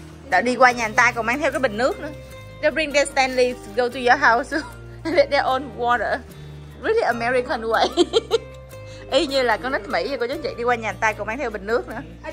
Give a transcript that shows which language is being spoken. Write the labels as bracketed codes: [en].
[vi] Đã đi qua nhà anh ta còn mang theo cái bình nước nữa. [en] They bring their Stanley to go to your house. Let their own water. Really American way. [vi] Y như là con nít Mỹ, cô chú chị đi qua nhà anh ta còn mang theo bình nước nữa.